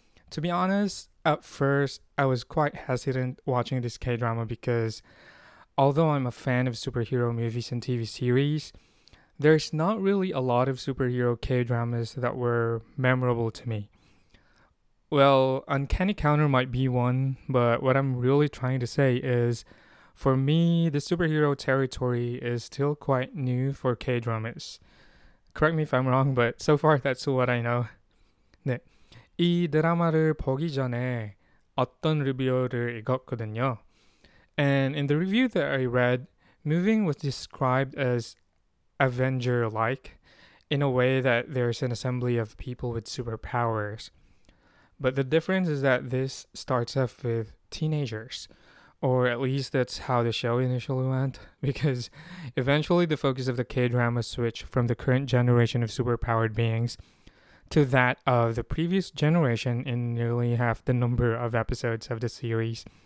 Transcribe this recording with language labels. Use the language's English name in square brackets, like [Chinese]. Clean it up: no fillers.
[English] To be honest, at first, I was quite hesitant watching this K-drama because although I'm a fan of superhero movies and TV series, there's not really a lot of superhero K-dramas that were memorable to me. Well, Uncanny Counter might be one, but what I'm really trying to say is, for me, the superhero territory is still quite new for K-dramas. Correct me if I'm wrong, but so far that's what I know. [Korean] 네, 이 드라마를 보기 전에 어떤 리뷰어를 읽었거든요. [English] And in the review that I read, Moving was described as Avenger-like, in a way that there's an assembly of people with superpowers. But the difference is that this starts off with teenagers, or at least that's how the show initially went, because eventually the focus of the K-drama switched from the current generation of superpowered beings to that of the previous generation in nearly half the number of episodes of the series.